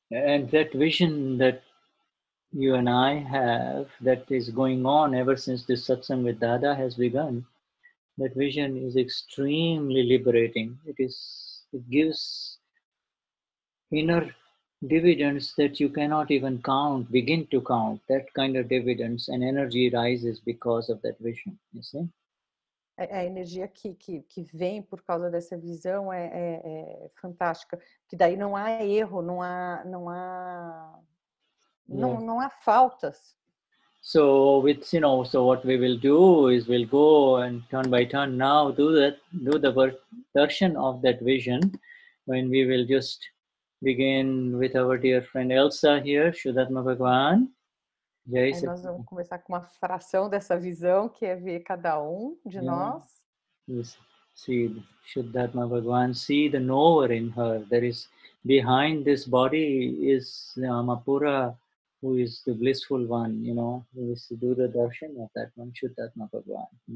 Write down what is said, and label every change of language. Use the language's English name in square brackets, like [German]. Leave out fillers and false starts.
[English] And that vision that you and I have, that is going on ever since this satsang with Dada has begun, that vision is extremely liberating. It gives inner dividends that you cannot even count, begin to count. That kind of dividends and energy rises because of that vision, you see? [Portuguese] A energia que vem por causa dessa visão é fantástica. Que daí não há erro, não há faltas. [English] So it's, you know, so what we will do is we'll go and turn by turn now do the version of that vision, when we will just begin with our dear friend Elsa here, Sudhatma Bhagwan. [Portuguese] E aí, aí nós vamos começar com uma fração dessa visão, que é ver cada um de nós. [English] See, Siddhartha Bhagavan, see the knower in her. There is behind this body is Amapura, who is the blissful one, you know, who is to do the darshan of that one, Siddhartha Bhagavan.